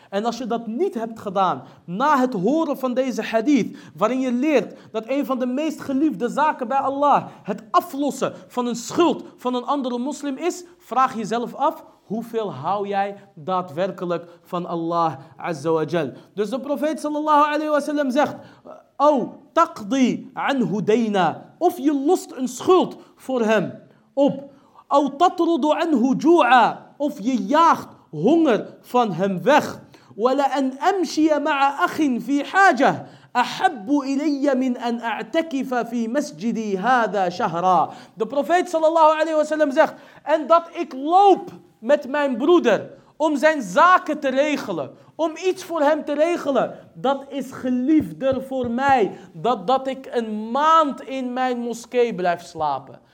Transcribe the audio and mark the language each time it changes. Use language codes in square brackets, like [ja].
[nl] En als je dat niet hebt gedaan, na het horen van deze hadith, waarin je leert dat een van de meest geliefde zaken bij Allah het aflossen van een schuld van een andere moslim is, vraag jezelf af, hoeveel hou jij daadwerkelijk van Allah Azza wa Jal? Dus de profeet sallallahu alayhi wa sallam zegt, oh, [ar] taqdi an hudayna. [nl] Of je lost een schuld voor hem op. [ar] أو تطرد عنه جوعا [nl] of je jaagt honger van hem weg. [ar] ولأن أمشي مع أخ في حاجة أحب إلي من أن أعتكف في مسجدي هذا شهرا. [nl] De profeet sallallahu alayhi wa sallam zegt, en dat ik loop met mijn broeder om zijn zaken te regelen, om iets voor hem te regelen, dat is geliefder voor mij dat ik een maand in mijn moskee blijf slapen.